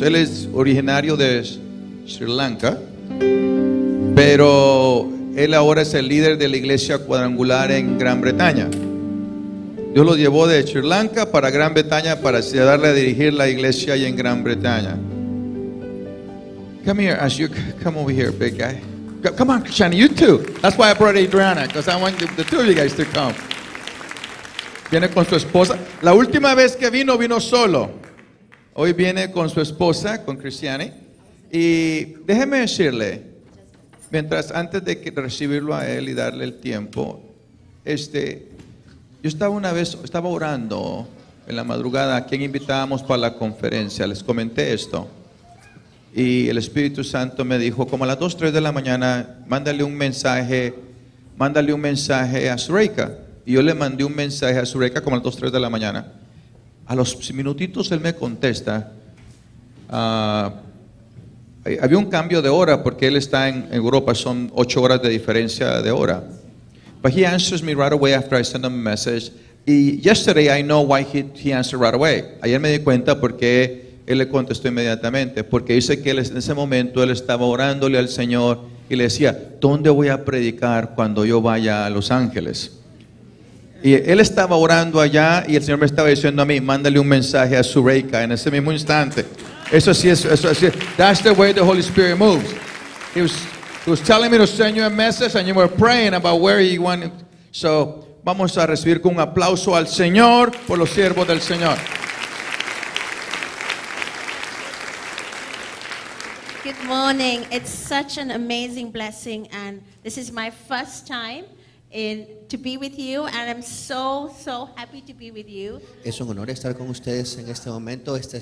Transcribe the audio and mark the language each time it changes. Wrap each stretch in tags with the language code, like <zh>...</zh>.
<es>Él es originario de Sri Lanka, pero él ahora es el líder de la iglesia cuadrangular en Gran Bretaña. Dios lo llevó de Sri Lanka para Gran Bretaña para darle a dirigir la iglesia allá en Gran Bretaña.</es> <en>Come here, as you come over here, big guy. Come on, Shani, you too. That's why I brought Adriana, because I want the two of you guys to come.</en> <es>Viene con su esposa. La última vez que vino, vino solo. Hoy viene con su esposa, con Christiane. Y déjeme decirle, mientras antes de recibirlo a él y darle el tiempo, yo estaba una vez, estaba orando en la madrugada a quien invitábamos para la conferencia. Les comenté esto. Y el Espíritu Santo me dijo, como a las 2, 3 de la mañana, mándale un mensaje a Sureika. Y yo le mandé un mensaje a Sureika como a las 2, 3 de la mañana. A los minutitos él me contesta. Había un cambio de hora porque él está en Europa, son 8 horas de diferencia de hora.</es> <en>But he answers me right away after I send him a message. Y yesterday I know why he answered right away.</en> <es>Ayer me di cuenta porque él le contestó inmediatamente, porque dice que él, en ese momento él estaba orándole al Señor y le decía, ¿dónde voy a predicar cuando yo vaya a Los Ángeles? Y él estaba orando allá y el Señor me estaba diciendo a mí, mándale un mensaje a Sureika en ese mismo instante. Eso sí es, eso sí es.</es> <en>That's the way the Holy Spirit moves. He was telling me to send you a message and you were praying about where he wanted.</en> <es>So, vamos a recibir con un aplauso al Señor por los siervos del Señor.</es> <en>Good morning. It's such an amazing blessing, and this is my first time to be with you, and I'm so, so happy to be with you.</en> <es>Es un honor estar con ustedes en este momento.</es>